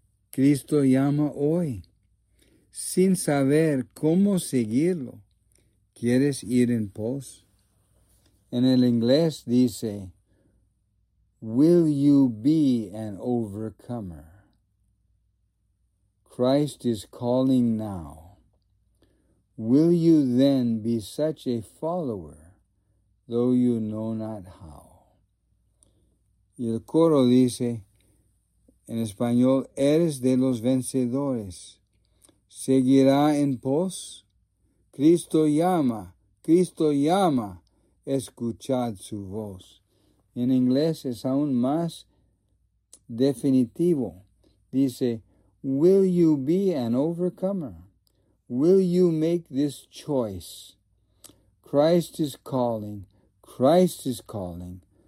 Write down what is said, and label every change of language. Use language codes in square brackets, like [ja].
[es] Cristo llama hoy, sin saber cómo seguirlo. ¿Quieres ir en pos? En el inglés dice, [en] Will you be an overcomer? Christ is calling now. Will you then be such a follower, though you know not how? [es] Y el coro dice, en español, eres de los vencedores. ¿Seguirá en pos? Cristo llama, Cristo llama. Escuchad su voz. En inglés es aún más definitivo. Dice, [en] will you be an overcomer? Will you make this choice? Christ is calling, Christ is calling.